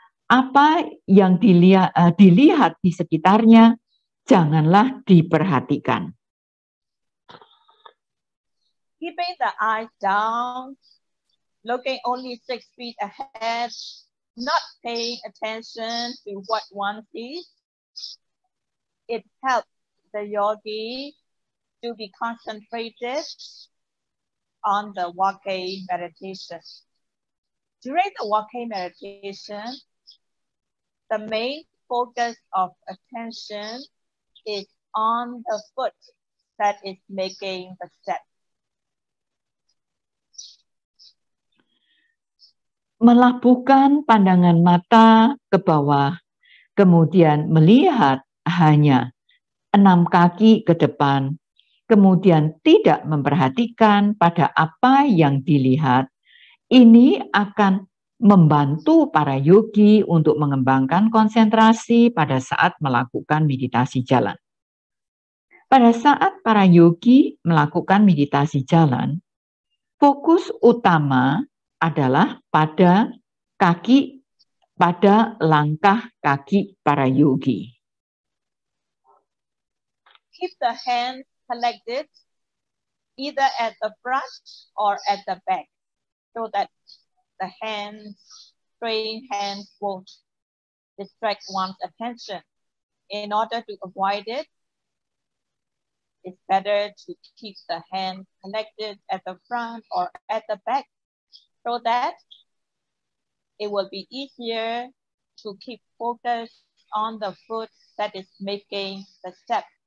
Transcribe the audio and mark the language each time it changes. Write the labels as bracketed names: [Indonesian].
[Indonesian] Apa yang dilihat di sekitarnya, janganlah diperhatikan. [English] Keeping the eyes down, looking only 6 feet ahead, not paying attention to what one sees, it helps the yogi to be concentrated on the walking meditation. During the walking meditation, the main focus of attention is on the foot that is making the step. [Indonesian] Melabuhkan pandangan mata ke bawah, kemudian melihat hanya 6 kaki ke depan, kemudian tidak memperhatikan pada apa yang dilihat, ini akan membantu para yogi untuk mengembangkan konsentrasi pada saat melakukan meditasi jalan. Pada saat para yogi melakukan meditasi jalan, fokus utama adalah pada langkah kaki para yogi. [English] Keep the hands collected either at the front or at the back so that the hands, straying hands, won't distract one's attention. In order to avoid it, it's better to keep the hands collected at the front or at the back so that it will be easier to keep focus on the foot that is making the step.